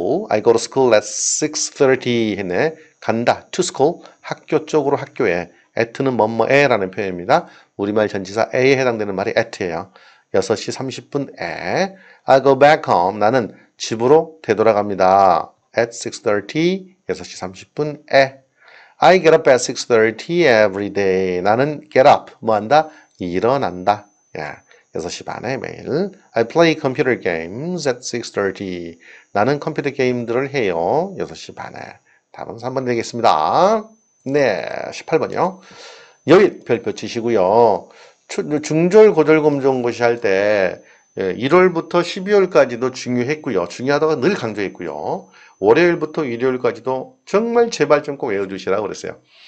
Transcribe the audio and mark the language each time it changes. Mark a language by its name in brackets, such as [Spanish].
[English] I go to school at 6:30 [Korean] 했네. 간다. [English] to school. [Korean] 학교 쪽으로 학교에. at는 뭐뭐에라는 표현입니다. 우리말 전치사 에에 해당되는 말이 at예요. 6시 30분에. [English] I go back home. [Korean] 나는 집으로 되돌아갑니다. [English] at 6:30. [Korean] 6시 30분에. [English] I get up at 6:30 every day. [Korean] 나는 [English] get up. [Korean] 뭐 한다? 일어난다. 예. 6시 반에 매일. [English] I play computer games at 6:30. [Korean] 나는 컴퓨터 게임들을 해요. 6시 반에. 답은 3번 되겠습니다. 네, 18번이요. 여기 별표 치시고요. 중졸, 고졸, 검정고시 할때 1월부터 12월까지도 중요했고요. 중요하다고 늘 강조했고요. 월요일부터 일요일까지도 정말 제발 좀꼭 외워주시라고 그랬어요.